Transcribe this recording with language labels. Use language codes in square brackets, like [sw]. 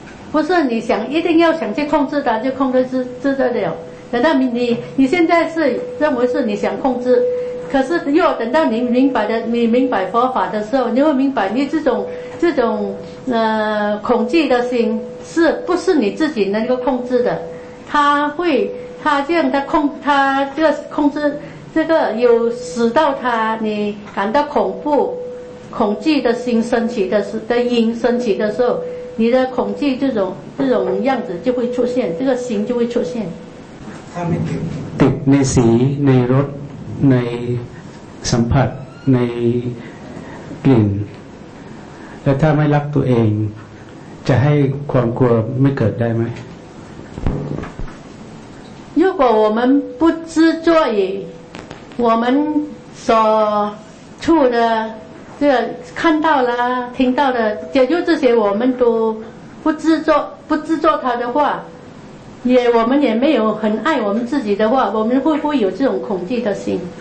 [zh] 不是你想一定要想去控制它就控制得了等到你现在是认为是你想控制可是又等到你明白佛法的时候你会明白你这种恐惧的心是不是你自己能够控制的他这个控制这个有使到他你感到恐怖恐惧的心升起的因升起的时候你的恐惧这种样子就会出现，这个心就会出现。 [th] ติดในสีในรสในสัมผัสในกลิ่นและถ้าไม่รักตัวเองจะให้ความกลัวไม่เกิดได้ไหม [zh] 如果我们不执着于我们所处的这看到了听到的也就这些我们都不执着它的话也我们也没有很爱我们自己的话我们会不会有这种恐惧的心